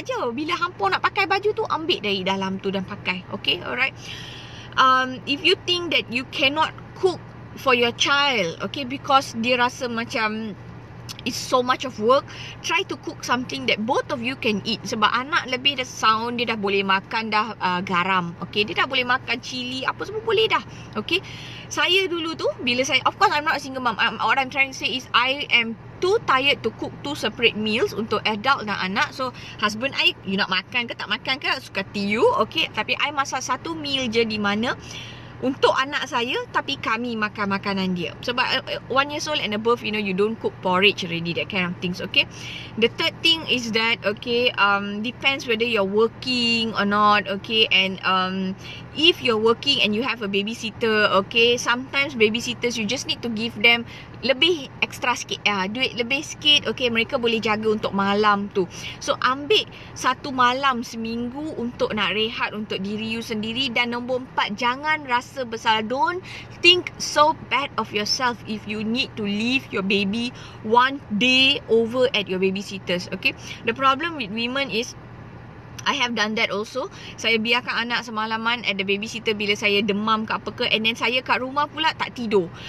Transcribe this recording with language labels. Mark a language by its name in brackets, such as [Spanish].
[Malay] Bila hampa nak pakai baju tu, ambil dari dalam tu dan pakai. Okay, alright. [English] If you think that you cannot cook for your child, okay, because [Malay] dia rasa macam [English] it's so much of work, try to cook something that both of you can eat. [Malay] Sebab anak lebih dah sound, dia dah boleh makan dah garam, okay? Dia dah boleh makan cili, apa semua boleh dah, okay? Saya dulu tu, bila saya, [English] of course I'm not a single mom, what I'm trying to say is I am too tired to cook two separate meals [Malay] untuk adult dan anak. So husband I, you nak makan ke tak makan ke, suka to you, okay? Tapi I masak satu meal je di mana untuk anak saya, tapi kami makan makanan dia. [English] Sebab 1 year old and above, you know, you don't cook porridge already, that kind of things, okay? The third thing is that, okay, depends whether you're working or not, okay? And if you're working and you have a babysitter, okay, sometimes babysitters, you just need to give them lebih extra sikit, [Malay] duit lebih sikit, [English] okay? [Malay] Mereka boleh jaga untuk malam tu. So, ambil satu malam seminggu untuk nak rehat untuk diri you sendiri. Dan nombor empat, jangan rasa bersalah. [English] Don't think so bad of yourself if you need to leave your baby one day over at your babysitter's, okay? The problem with women is, I have done that also. [Malay] Saya biarkan anak semalaman [English] at the babysitter [Malay] bila saya demam ke apa ke, [English] and then [Malay] saya kat rumah pula tak tidur.